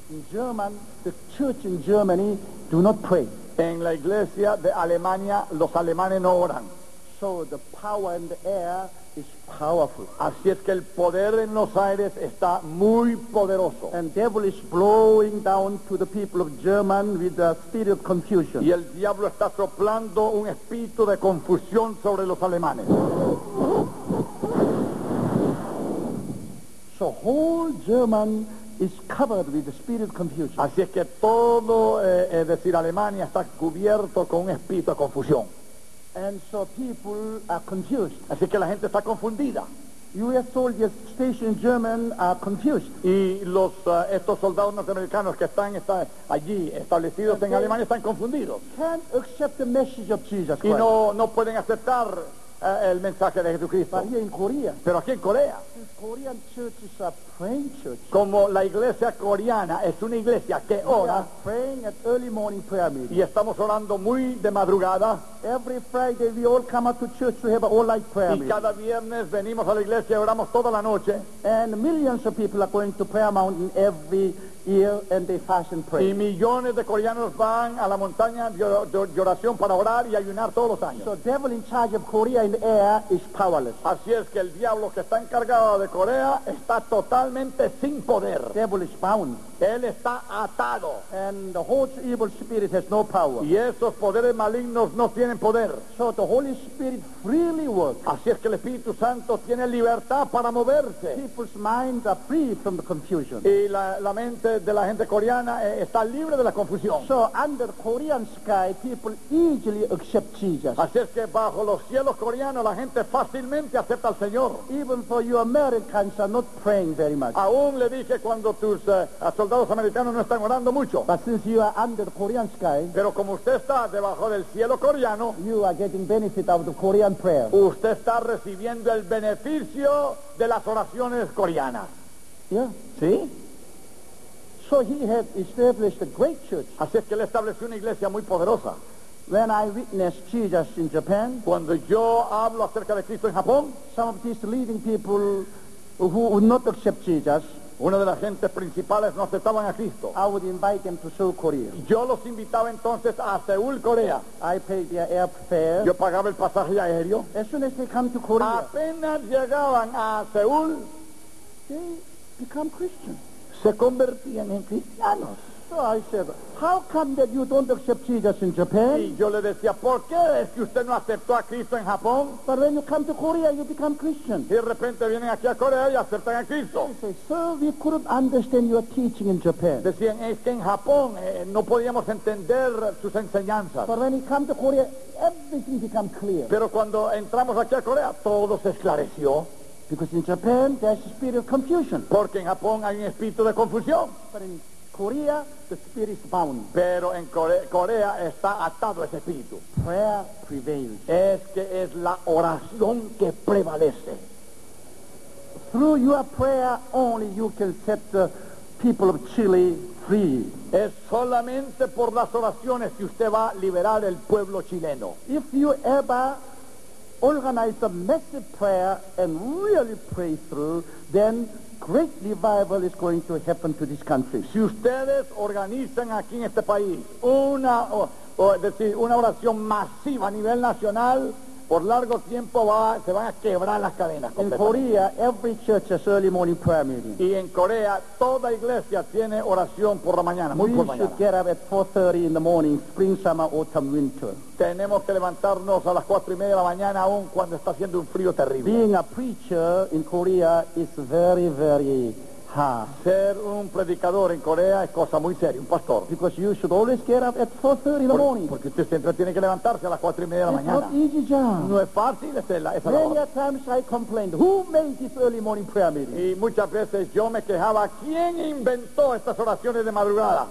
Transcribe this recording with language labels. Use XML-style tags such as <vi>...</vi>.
<en>German, the church in Germany do not pray.</en> <es>En la iglesia de Alemania, los alemanes no oran.</es> <en>So the power in the air is powerful.</en> <es>Así es que el poder en los aires está muy poderoso.</es> <en>And devil is blowing down to the people of German with the spirit of confusion.</en> <es>Y el diablo está soplando un espíritu de confusión sobre los alemanes.</es> <en>So whole German is covered with the spirit of confusion.</en> <es>Así es que todo, decir, Alemania está cubierto con un espíritu de confusión.</es> <en>And so people are confused.</en> <es>Así que la gente está confundida.</es> <en>U.S. soldiers stationed in Germany are confused.</en> <es>Y los estos soldados norteamericanos que están allí establecidos en Alemania están confundidos.</es> <en>Can't accept the message of Jesus Christ.</en> <es>Y no pueden aceptar el mensaje de Jesucristo.</es> <en>But here in Korea.</en> <es>Pero aquí en Corea.</es> <en>Korean church is a praying church.</en> <es>Como la iglesia coreana es una iglesia que ora.</es> <en>We are praying at early morning prayer meeting.</en> <es>Y estamos orando muy de madrugada.</es> <en>Every Friday we all come up to church to have an all night prayer meeting.</en> <es>Y cada viernes venimos a la iglesia y oramos toda la noche.</es> <en>And millions of people are going to prayer mountain every year and they fast and pray.</en> <es>Y millones de coreanos van a la montaña de oración para orar y ayunar todos los años.</es> <en>So devil in charge of Korea in the air is powerless.</en> <es>Así es que el diablo que está encargado de Corea está totalmente sin poder.</es> <en>Devil is bound.</en> <es>Él está atado.</es> <en>And the whole evil spirit has no power.</en> <es>Y esos poderes malignos no tienen poder.</es> <en>So the Holy Spirit freely works.</en> <es>Así es que el Espíritu Santo tiene libertad para moverse.</es> <en>People's minds are free from the confusion.</en> <es>Y la mente de la gente coreana está libre de la confusión.</es> <en>So under Korean sky, people easily accept Jesus.</en> <es>Así es que bajo los cielos coreanos la gente fácilmente acepta al Señor.</es> <en>Even for you Americans are not praying very much.</en> <es>Aún le dije cuando tus soldados americanos no están orando mucho.</es> <en>But since you are under Korean sky,</en> <es>pero como usted está debajo del cielo coreano,</es> <en>you are getting benefit out of Korean prayer.</en> <es>Usted está recibiendo el beneficio de las oraciones coreanas.</es> <en>Yeah.</en> <es>¿Sí?</es> <en>So he had established a great church.</en> <es>Así es que él estableció una iglesia muy poderosa.</es> <en>When I witness Jesus in Japan,</en> <es>cuando yo hablo acerca de Cristo en Japón,</es> <en>some of these leading people who would not accept Jesus,</en> <es>una de las gentes principales no aceptaban a Cristo.</es> <en>I would invite them to Seoul, Korea.</en> <es>Yo los invitaba entonces a Seúl, Corea.</es> <en>I paid their airfare.</en> <es>Yo pagaba el pasaje aéreo.</es> <en>As soon as they come to Korea,</en> <es>apenas llegaban a Seúl,</es> <en>they become Christians.</en> <es>Se convertían en cristianos.</es> <en>So I said, how come that you don't accept Jesus in Japan?</en> <es>Y yo le decía, ¿por qué es que usted no aceptó a Cristo en Japón?</es> <en>But when you come to Korea, you become Christian.</en> <es>Y de repente vienen aquí a Corea y aceptan a Cristo.</es> <en>Say, sir, we couldn't understand your teaching in Japan.</en> <es>Decían, es que en Japón no podíamos entender sus enseñanzas.</es> <en>But when you come to Korea, everything become clear.</en> <es>Pero cuando entramos aquí a Corea, todo se esclareció.</es> <en>Because in Japan, there's a spirit of confusion.</en> <es>Porque en Japón hay un espíritu de confusión.</es> <en>Korea, the spirit is bound.</en> <es>Pero en Corea está atado ese espíritu.</es> <en>Prayer prevails.</en> <es>Es que es la oración que prevalece.</es> <en>Through your prayer only you can set the people of Chile free.</en> <es>Es solamente por las oraciones que usted va a liberar el pueblo chileno.</es> <en>If you ever organize a massive prayer and really pray through, then great revival is going to happen to this country.</en> <es>Si ustedes organizan aquí en este país una, una oración masiva a nivel nacional, por largo tiempo se van a quebrar las cadenas.</es> <en>In Korea, every church has early morning prayer meeting.</en> <es>Y en Corea, toda iglesia tiene oración por la mañana, muy</es> <en>we</en> <es>por mañana.</es> <en>We should get up at 4:30 in the morning, spring, summer, autumn, winter.</en> <es>Tenemos que levantarnos a las 4:30 de la mañana, aun cuando está haciendo un frío terrible.</es> <en>Being a preacher in Korea is very, very hard.</en> <es>Ser un predicador en Corea es cosa muy seria, un pastor.</es> <en>Because you should always get up at 4:30 in the morning.</en> <es>Porque usted siempre tiene que levantarse a las 4:30 de la mañana.</es> <en>It's not easy, John.</en> <es>No es fácil hacerla.</es> <en>Many times I complained, who made this early morning prayer meeting?</en> <es>Y muchas veces yo me quejaba, ¿quién inventó estas oraciones de madrugada?</es>